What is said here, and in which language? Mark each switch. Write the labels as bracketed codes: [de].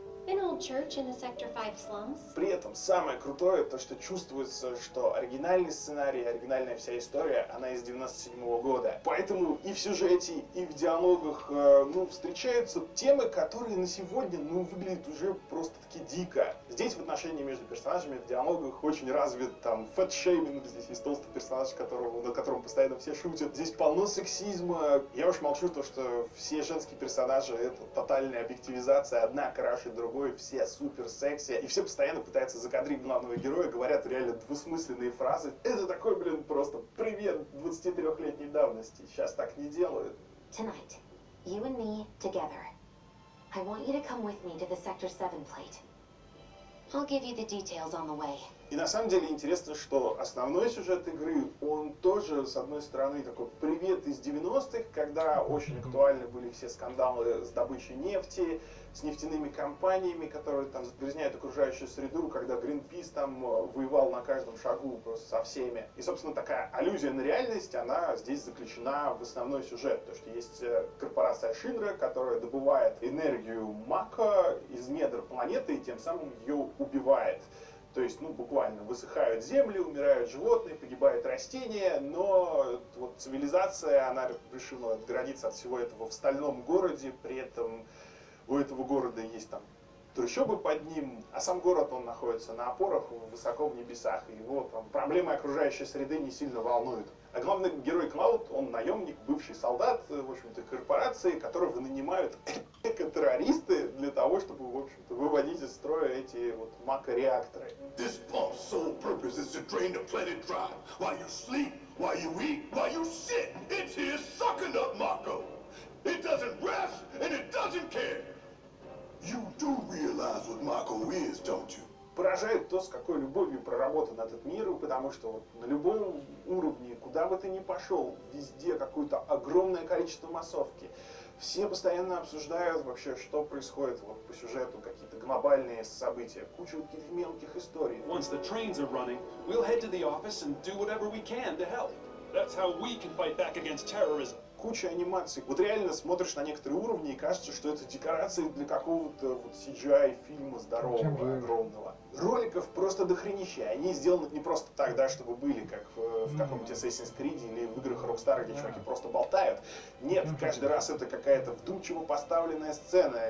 [en] An old church in the Sector 5 slums. [ru] При этом самое крутое то, что чувствуется, что оригинальный сценарий, оригинальная вся история, она из 97 года. Поэтому и в сюжете, и в диалогах, ну, встречаются темы, которые на сегодня, ну, выглядят уже просто таки дико. Здесь в отношении между персонажами, в диалогах очень развит там фэтшейминг, здесь есть толстый персонаж, над которым постоянно все шутят. Здесь полно сексизма. Я уж молчу то, что все женские персонажи это тотальная объективизация, одна краше другой. Все супер секси, и все постоянно пытаются закадрить главного героя, говорят реально двусмысленные фразы. Это такой, блин, просто привет 23-летней давности. Сейчас так не делают. [en] Tonight, you and me together. I want you to come with me to the Sector 7 plate. I'll give you the details on the way. [ru] И на самом деле интересно, что основной сюжет игры, он тоже, с одной стороны, такой привет из 90-х, когда очень актуальны были все скандалы с добычей нефти, с нефтяными компаниями, которые там загрязняют окружающую среду, когда Greenpeace там воевал на каждом шагу просто со всеми. И, собственно, такая аллюзия на реальность, она здесь заключена в основной сюжет. То есть есть корпорация Шинра, которая добывает энергию Мака из недр планеты и тем самым ее убивает. То есть, ну, буквально высыхают земли, умирают животные, погибают растения, но вот цивилизация, она решила отгородиться от всего этого в стальном городе, при этом у этого города есть там трущобы под ним, а сам город, он находится на опорах высоко в небесах, и его там проблемы окружающей среды не сильно волнуют. А главный герой Клауд, он наемник, бывший солдат, в общем-то, корпорации, которого нанимают эко-террористы для того, чтобы, в общем-то, выводить из строя эти вот макореакторы. [en] This bomb's sole purpose is to drain the planet dry. While you sleep, while you eat, while you sit, it's here sucking up Mako. It doesn't rest, and it doesn't care. You do realize what Mako is, don't you? [ru] Поражает то, с какой любовью проработан этот мир, потому что вот на любом уровне, куда бы ты ни пошел, везде какое-то огромное количество массовки. Все постоянно обсуждают вообще, что происходит вот по сюжету, какие-то глобальные события, куча каких-то мелких историй. [en] Once the trains are running, we'll head to the office and do whatever we can to help. That's how we can fight back against terrorism. [ru] Куча анимаций. Вот реально смотришь на некоторые уровни и кажется, что это декорации для какого-то вот CGI-фильма здорового, огромного. Роликов просто дохренища. Они сделаны не просто так, да, чтобы были, как в каком-нибудь Assassin's Creed или в играх Rockstar, где чуваки просто болтают. Нет, каждый раз это какая-то вдумчиво поставленная сцена.